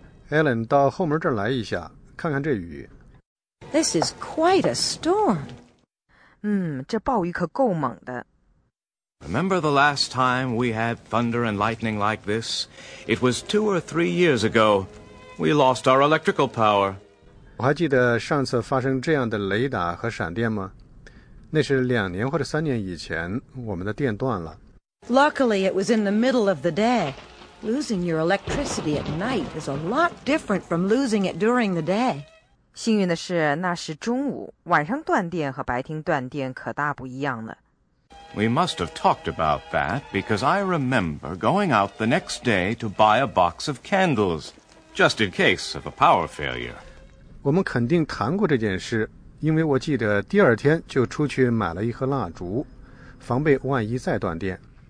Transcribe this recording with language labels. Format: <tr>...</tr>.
<zh>Ellen, 到后门这儿来一下，看看这雨。</zh> <en>This is quite a storm.</en> <zh>这暴雨可够猛的。</zh> <en>Remember the last time we had thunder and lightning like this? It was 2 or 3 years ago. We lost our electrical power.</en> <zh>我还记得上次发生这样的雷打和闪电吗？那是2年或者3年以前，我们的电断了。</zh> <en>Luckily, it was in the middle of the day. Losing your electricity at night is a lot different from losing it during the day.</en> <zh>幸运的是，那是中午，晚上断电和白天断电可大不一样了。</zh> <en>We must have talked about that because I remember going out the next day to buy a box of candles, just in case of a power failure.</en> <zh>我们肯定谈过这件事，因为我记得第二天就出去买了一盒蜡烛，防备万一再断电。</zh>